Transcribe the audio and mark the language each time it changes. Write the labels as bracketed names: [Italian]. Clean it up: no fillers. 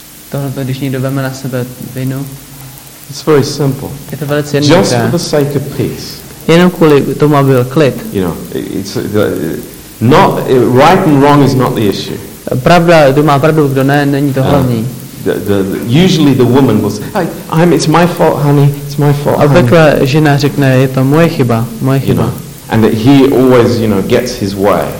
[Czech] Tohle, když někdo veme na sebe vinu. [English] It's very simple. [Czech] Je to velice jednoduché. [English] Just for the sake of peace. [Czech] Jenom kvůli tomu, aby byl klid. [English] You know, it's not right and wrong is not the issue. [Czech] Pravda, kdo má pravdu, kdo ne, není to hlavní. [English] Usually the woman will say, it's my fault, honey, it's my fault. [Czech] Obvykle žena řekne, je to moje chyba. [English] You know, and he always, you know, gets his way.